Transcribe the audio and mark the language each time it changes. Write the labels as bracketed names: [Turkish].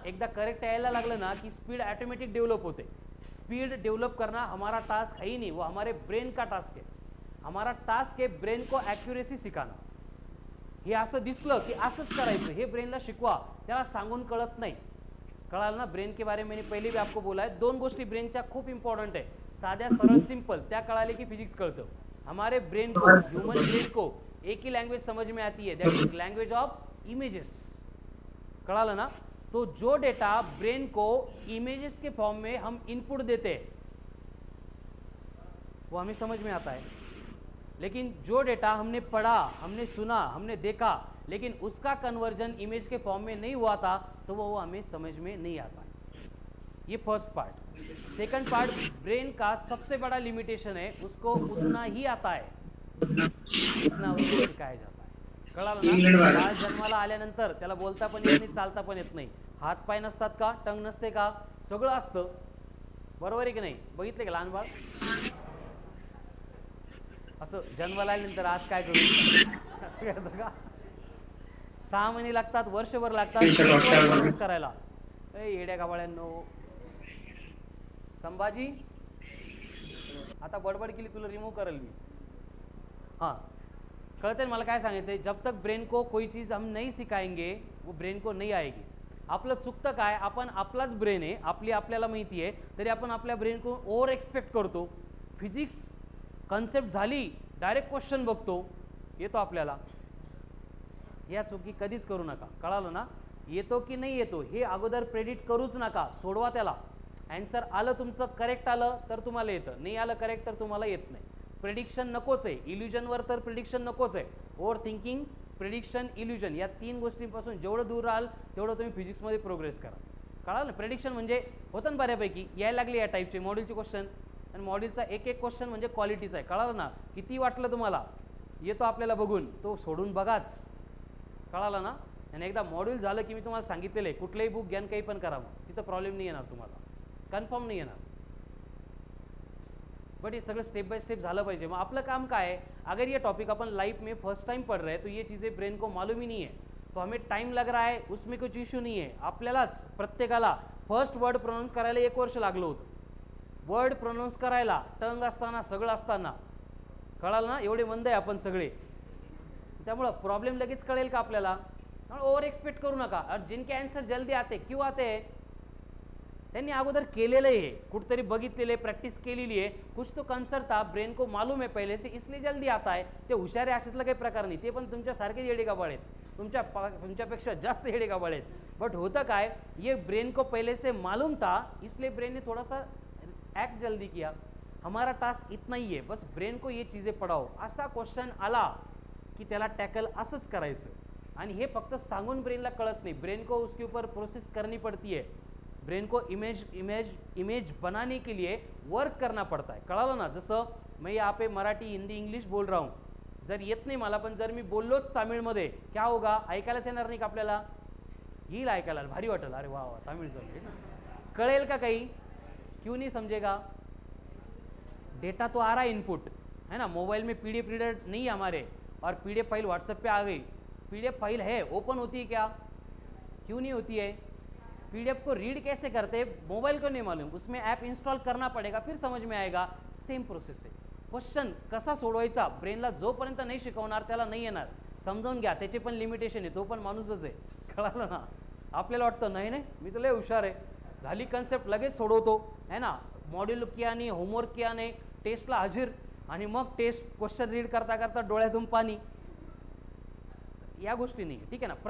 [Marathi] एकदा करेक्ट यायला लागलं ना की स्पीड ॲटोमॅटिक डेव्हलप होते. स्पीड डेव्हलप करणं हमारा टास्क आहे नाही, व [Hindi] हमारे ब्रेन का टास्क [Marathi] आहे. हमारा टास्क आहे [Hindi] ब्रेन को ॲक्युरेसी सिखाना. [Marathi] हे असं दिसलं की असंच करायचं हे ब्रेनला शिकवा, त्याला सांगून कळत नाही. कळालं ना? [Hindi] ब्रेन के बारे में पहिले भी आपको बोला [Marathi] आहे. दोन गोष्टी ब्रेनच्या खूप इम्पॉर्टंट आहे, साध्या सरळ सिंपल, त्या कळाले की फिजिक्स कळतं. [Hindi] हमारे ब्रेन को, ह्युमन ब्रेन को एक ही लँग्वेज समज में आती है, that is language of images. [Marathi] कळालं ना? [Hindi] तो जो डेटा ब्रेन को इमेजेस के फॉर्म में हम इनपुट देते, वो हमें समझ में आता है, लेकिन जो डेटा हमने पढ़ा, हमने सुना, हमने देखा, लेकिन उसका कन्वर्जन इमेज के फॉर्म में नहीं हुआ था, तो वो हमें समझ में नहीं आता है। ये first part. Second part, brain का सबसे बड़ा लिमिटेशन है, उसको उतना ही आता है जितना उसको सिखाया जाता है। [Marathi] कळलं ना? आज जन्माला आल्यानंतर त्याला बोलता पण येत नाही, चालता पण येत नाही, हात पाय नसतात का, टंग नसते का, सगळं असतं, बरोबर आहे की नाही? बघितले का लहान बाळ असं जन्माला आल्यानंतर आज काय करू असं करतं का? 6 महिने लागतात, वर्षभर लागतात करायला। येड्या गावाळ्यांनो, संभाजी आता बडबड केली, तुला रिमूव करेल मी। हां, कळते ना मला काय सांगायचं आहे? [Hindi] जब तक ब्रेन को कोई चीज हम नहीं सिखाएंगे, वो ब्रेन को नहीं आएगी। [Marathi] आपलं चुकतं काय, आपण आपलाच ब्रेन आहे, आपली आपल्याला माहिती आहे, तरी आपण आपल्या ब्रेन को ओवर एक्सपेक्ट करतो। फिजिक्स कन्सेप्ट झाली, डायरेक्ट क्वेश्चन बघतो, येतो आपल्याला। या चुकी कधीच करू नका, कळालं ना? येतो की नाही येतो हे अगोदर प्रेडिक्ट करूच नका, सोडवा त्याला। ॲन्सर आलं तुमचं, करेक्ट आलं तर तुम्हाला येतं, नाही आलं करेक्ट तर तुम्हाला येत नाही। प्रेडिक्शन नकोच आहे, इल्युजनवर तर प्रेडिक्शन नकोच आहे। ओवर थिंकिंग, प्रेडिक्शन, इल्युजन, या तीन गोष्टींपासून जेवढं दूर राहाल तेवढं तुम्ही फिजिक्समध्ये प्रोग्रेस करा। कळालं ना? प्रेडिक्शन म्हणजे होतं ना बऱ्यापैकी, यायला लागले या टाईपचे मॉड्यूलचे क्वेश्चन, आणि मॉड्यूलचा एक एक क्वेश्चन म्हणजे क्वालिटीचा आहे। कळालं ना? किती वाटलं तुम्हाला? येतो आपल्याला बघून, तो सोडून बघाच। कळालं ना? आणि एकदा मॉड्यूल झालं की मी तुम्हाला सांगितलेलं आहे, कुठलंही बुक घ्या, काही पण करा, तिथं प्रॉब्लेम नाही येणार तुम्हाला, कन्फर्म नाही येणार। बट हे सगळं स्टेप बाय स्टेप झालं पाहिजे। मग आपलं काम काय आहे? [Hindi] अगर ये टॉपिक आपण लाईफ में फर्स्ट टाइम पढ़ रहे हैं, तो ये चीज़ें ब्रेन को मालूम ही नहीं है, तो हमें टाइम लग रहा है, उसमें कुछ इश्यू नहीं है। [Marathi] आपल्यालाच प्रत्येकाला फर्स्ट वर्ड प्रोनाउंस करायला 1 वर्ष लागलं होतं, वर्ड प्रोनाउंस करायला, टंग असताना, सगळं असताना। कळालं ना? एवढे मंद आहे आपण सगळे, त्यामुळं प्रॉब्लेम लगेच कळेल का आपल्याला? ओवर एक्सपेक्ट करू नका। [Hindi] और जिनके ॲन्सर जल्दी आते, क्यों आते? [Marathi] त्यांनी अगोदर केलेलं आहे, कुठतरी बघितलेलं आहे, प्रॅक्टिस केलेली आहे, कुछ तो कन्सर्न था, ब्रेन को मालूम आहे पहिले से, [Hindi] इसलिए जल्दी आता है। [Marathi] ते हुशार आहे अशातलं काही प्रकार नाही, ते पण तुमच्यासारखेच येडेगाबळ आहेत, तुमच्यापेक्षा जास्त येडेगाबळ आहेत। [Hindi] बट होतं काय, ये ब्रेन को पहिले से मालूम था, इसलिए ब्रेन ने थोड़ा सा ॲक्ट जल्दी किया। हमारा टास्क इतना ही है, बस ब्रेन को ये चीजें पढ़ाओ। [Marathi] असा क्वेश्चन आला की त्याला टॅकल असंच करायचं, आणि हे फक्त सांगून ब्रेनला कळत नाही, [Hindi] ब्रेन को उसके ऊपर प्रोसेस करनी पड़ती है। ब्रेन को इमेज बनाने के लिए वर्क करना पड़ता है। [Marathi] कळालं ना? जसं मी [Hindi] यहाँ पे मराठी, हिंदी, इंग्लिश बोल रहा हूँ, [Marathi] जर येत नाही मला, पण जर मी बोललोच तामिळमध्ये, [Hindi] क्या होगा? [Marathi] ऐकायलाच येणार नाही का आपल्याला? येईल ऐकायला, भारी वाटेल, अरे वा वा तामिळ जमले ना। कळेल का काही? [Hindi] क्यों नहीं समझेगा? डेटा तो आ रहा है, इनपुट है ना, मोबाइल में पीडीएफ रीडर नहीं हमारे, और पीडीएफ फाइल व्हाट्सएप पे आ गई। पीडीएफ फाइल है, ओपन होती है क्या? क्यों नहीं होती है? पीडीएफ को रीड कैसे करते हैं मोबाइल को नहीं मालूम, उसमें ऐप इंस्टॉल करना पड़ेगा, फिर समझ में आएगा। [Marathi] सेम प्रोसेस है, क्वेश्चन कसा सोडवायचा ब्रेनला जोपर्यंत नहीं शिकवणार त्याला नहीं येणार। समजून घ्या, त्याचे पण लिमिटेशन आहे, तो पण माणूसच आहे। कळालं ना? आपल्याला वाटतं नाही नाही मी तर लय हुशार आहे, झाली कन्सेप्ट लगेच सोडवतो, है ना, मॉड्यूल किया नाही, होमवर्क किया नाही, टेस्टला हजर, आणि मग टेस्ट क्वेश्चन रीड करता करता डोळ्यातून पाणी, या गोष्टी नाही, ठीक आहे ना?